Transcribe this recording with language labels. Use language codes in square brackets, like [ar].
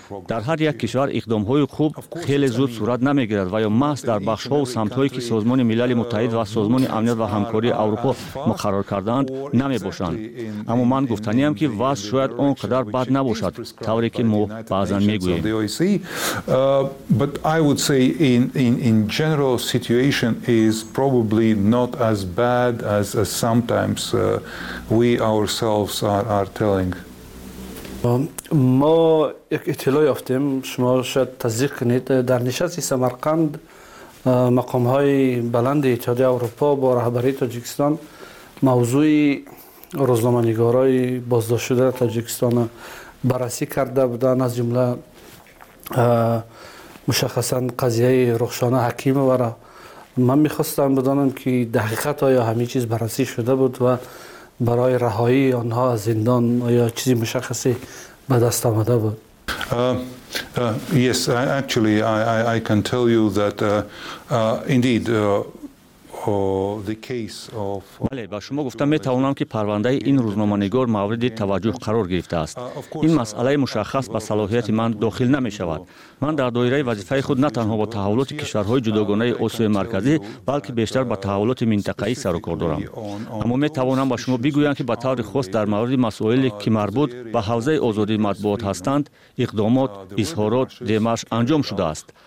[fa] در هر یک کشور اقدام های خوب خیلی زود صورت نمی گیرد و یا محض در بخش ها و سمت هایی که سازمان ملل متحد و سازمان امنیت و همکاری اروپا مقرر کردند نمی باشند. اما من گفتنی هم که وضع شاید آنقدر بد نباشد طوری که ما بعضا می گوییم. [en] But I would say in general situation is probably not as bad as sometimes we ourselves are telling. [fa] ما یک اطلاع یافتیم، شما شاید تصدیق کنید، در نشست سمرقند مقام های بلند اتحادیه اروپا با رهبری تاجیکستان موضوع روزنامه‌نگارای بازداشت شده تاجیکستان بررسی کرده بودند، از جمله مشخصا قضیه رخشانه حکیمه. را من میخواستم بدانم که دقیقاً آیا همه چیز بررسی شده بود و برای رهایی آنها از زندان آیا چیزی مشخصی به دست آمده بود؟ [en] Yes, actually, I can tell you that indeed the case of. [fa] بله، با شما گفتم می‌توانم که پرونده این روزنامه‌نگار مورد توجه قرار گرفته است. این مسئله مشخص با صلاحیت من داخل نمی‌شود. من در دایره وظیفه خود نه تنها با تحولات کشورهای جداگانه آسیای مرکزی، بلکه بیشتر با تحولات منطقه‌ای سر و کار دارم. اما می‌توانم با شما بگویم که به طور خاص در مورد مسائلی که مربوط به حوزه آزادی مطبوعات هستند، اقدامات، اظهارات، دمش انجام شده است.